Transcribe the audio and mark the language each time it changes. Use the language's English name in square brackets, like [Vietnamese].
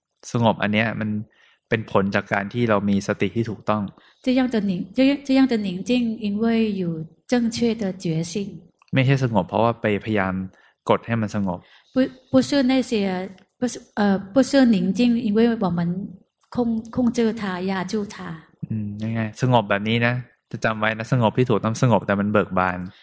[Thai] สงบอันเนี้ยมันเป็นผลจากการที่เรามีสติที่ถูกต้อง [Chinese] 这样的宁静因为有正确的觉性 [Thai] ไม่ใช่สงบเพราะว่าไปพยายามกดให้มันสงบ [Chinese] 不是那些不是宁静因为我们控制它压住它 [Thai] ยังไงสงบแบบนี้นะจะจำไว้นะสงบที่ถูกต้องสงบแต่มันเบิกบาน